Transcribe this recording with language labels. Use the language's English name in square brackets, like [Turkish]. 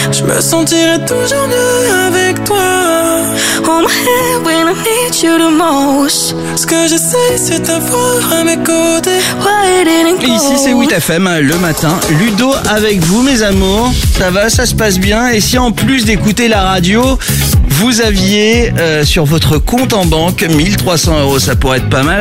[French] Je me sentirai toujours mieux avec toi. [English] Hold my hand when I need you the most. [French] Ce que j'essaie, c'est t'avoir à mes côtés. Ici, c'est 8FM, le matin. Ludo avec vous, mes amours. Ça va, ça se passe bien. Et si en plus d'écouter la radio, vous aviez sur votre compte en banque 1 300 euros, ça pourrait être pas mal.